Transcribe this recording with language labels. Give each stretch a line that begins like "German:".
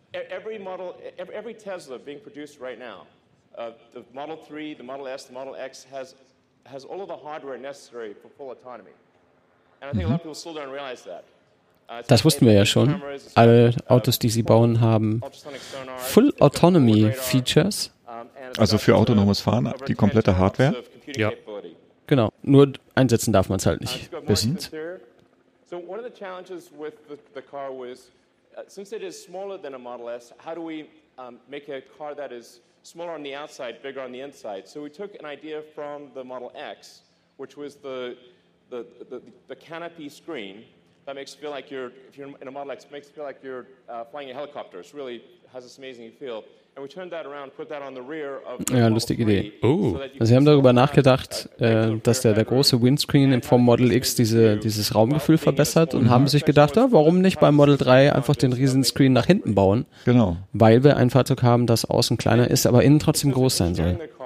English: Every model, every Tesla being produced right now. The Model 3, the Model S, the Model X has all of the hardware necessary for full autonomy. And I think a lot of people still don't realize that.
German: Das wussten wir ja schon. Alle Autos, die sie bauen, haben Full Autonomy Features. Also für autonomes Fahren die komplette Hardware. Ja. Genau. Nur einsetzen darf man es halt nicht. Wissen's.
English: So one of the challenges with the car was, since it is smaller than a Model S, how do we make a car that is smaller on the outside, bigger on the inside. So we took an idea from the Model X, which was the canopy screen that makes it feel like you're, if you're in a Model X, it makes it feel like you're flying a helicopter. It really has this amazing feel. And we turned that around, put that on the rear of the Model 3.
German: Ja, lustige Idee. Also sie haben darüber nachgedacht, dass der große Windscreen in Form Model X dieses Raumgefühl verbessert und haben sich gedacht, warum nicht beim Model 3 einfach den riesen Screen nach hinten bauen? Genau. Weil wir ein Fahrzeug haben, das außen kleiner ist, aber innen trotzdem groß sein soll.